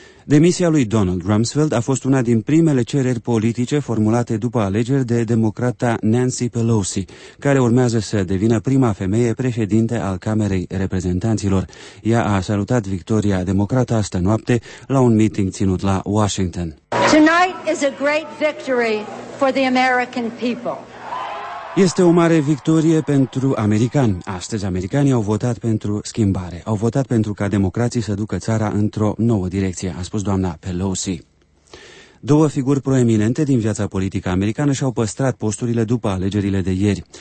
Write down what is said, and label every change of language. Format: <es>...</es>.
<ro>Demisia lui Donald Rumsfeld a fost una din primele cereri politice formulate după alegeri de democrata Nancy Pelosi, care urmează să devină prima femeie președinte al Camerei Reprezentanților. Ea a salutat victoria democrată astă noapte la un meeting ținut la Washington.</ro> <en>Tonight is a great victory for the American people.</en> <ro>Este o mare victorie pentru americani. Astăzi americanii au votat pentru schimbare. Au votat pentru ca democrații să ducă țara într-o nouă direcție, a spus doamna Pelosi. Două figuri proeminente din viața politică americană și-au păstrat posturile după alegerile de ieri.</ro>